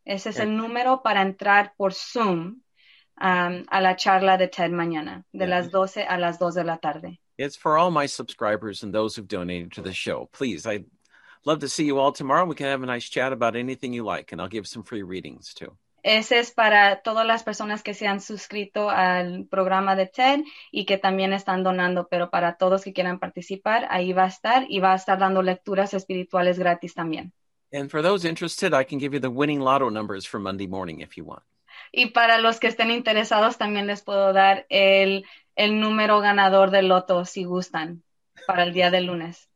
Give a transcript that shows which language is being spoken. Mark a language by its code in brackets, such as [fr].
[es] Ese es el número para entrar por Zoom a la charla de Ted mañana, de las 12 a las 2 de la tarde. [en] It's for all my subscribers and those who've donated to the show. Please, I'd love to see you all tomorrow. We can have a nice chat about anything you like, and I'll give some free readings too. [es] Ese es para todas las personas que se han suscrito al programa de Ted y que también están donando, pero para todos que quieran participar, ahí va a estar y va a estar dando lecturas espirituales gratis también. [en] And for those interested, I can give you the winning lotto numbers for Monday morning if you want. [es] Y para los que estén interesados, también les puedo dar el número ganador del loto, si gustan, para el día del lunes.